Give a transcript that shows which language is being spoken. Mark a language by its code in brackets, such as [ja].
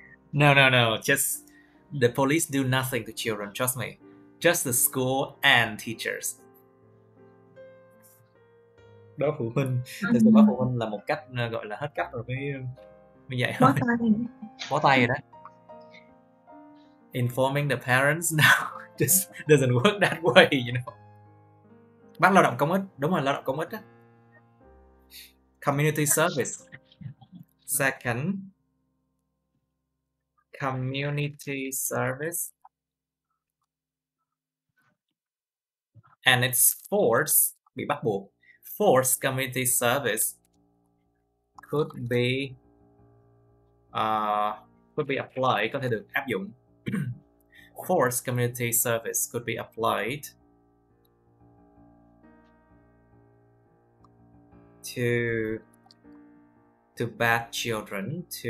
[en] No, no, no. Just the police do nothing to children. Trust me. Just the school and teachers. [vi] Báo phụ huynh. Thực sự báo phụ huynh là một cách gọi là hết cách rồi mới dạy thôi. Bó tay rồi đó. [en] Informing the parents now just doesn't work that way, you know. [vi] Bác lao động công ích. Đúng rồi, lao động công ích á. [en] Community service. Second. Community service. And it's forced, [vi] bị bắt buộc. [en] Forced community service could be applied, [vi] có thể được áp dụng. [en] Forced community service could be applied to bad children,